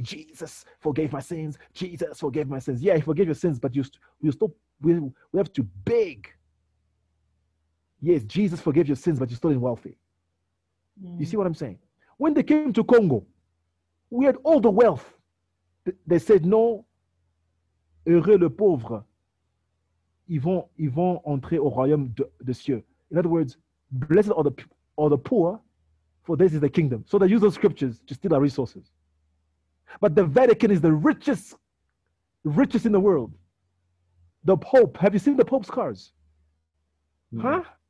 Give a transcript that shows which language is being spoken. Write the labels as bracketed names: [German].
[English] Jesus forgave my sins. Yeah, he forgave your sins, but we have to beg Yes, Jesus forgave your sins, but you're still in welfare. You see what I'm saying? When they came to Congo, we had all the wealth. They said, no, [French] heureux le pauvre, ils vont entrer au royaume de cieux. [English] In other words, blessed are the poor, for this is the kingdom. So they use those scriptures to steal our resources. But the Vatican is the richest in the world. The Pope, have you seen the Pope's cars? Huh?